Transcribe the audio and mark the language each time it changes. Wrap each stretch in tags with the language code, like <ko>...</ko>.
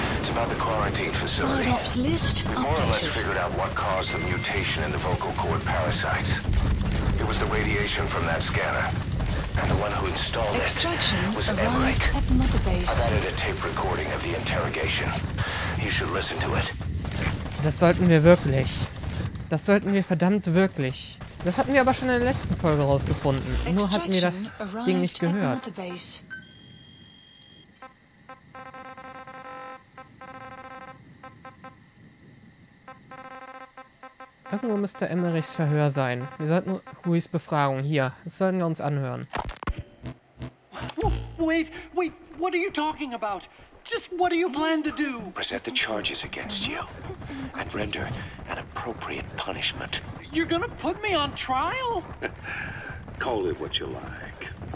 <en>About the quarantine facility. We more or less figured out what caused the mutation in the vocal cord parasites. It was the radiation from that scanner. And the one who installed it was Emmerich. I've added a tape recording of the interrogation. You should listen to it.</en> <de>Das sollten wir wirklich. Das sollten wir verdammt wirklich. Das hatten wir aber schon in der letzten Folge rausgefunden. Nur hatten wir das Ding nicht gehört. Irgendwo müsste Emmerichs Verhör sein. Wir sollten Huis Befragung hier. Das sollten wir uns anhören.</de> <en>Wait, wait, what are you talking about? Just what do you plan to do? Present the charges against you and render an appropriate punishment. You're gonna put me on trial? Call it what you like.</en>